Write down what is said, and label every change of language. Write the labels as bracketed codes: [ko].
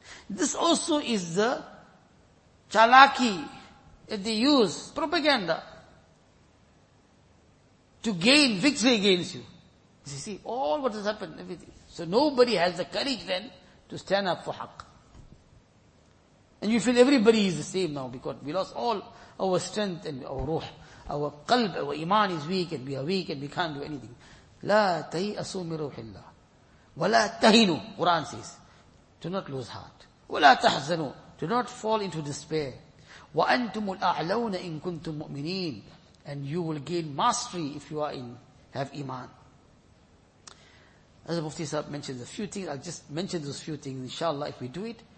[en] This also is the chalaki that they use, propaganda, to gain victory against you. You see, all what has happened, everything. So nobody has the courage then to stand up for haqq. And you feel everybody is the same now because we lost all our strength and our ruh. Our qalb, our iman is weak and we are weak and we can't do anything. [ar] لا تَيْأَسُوا مِنْ رُوحِ اللَّهِ وَلَا تَهِنُوا [en] Quran says, do not lose heart. [ar] وَلَا تَحْزَنُوا [en] Do not fall into despair. [ar] وَأَنْتُمُ الْأَعْلَوْنَ إِن كُنْتُم مُؤْمِنِينَ [en] And you will gain mastery if you are in, have iman. As Mufti Sahib mentioned a few things, I'll just mention those few things, inshallah, if we do it.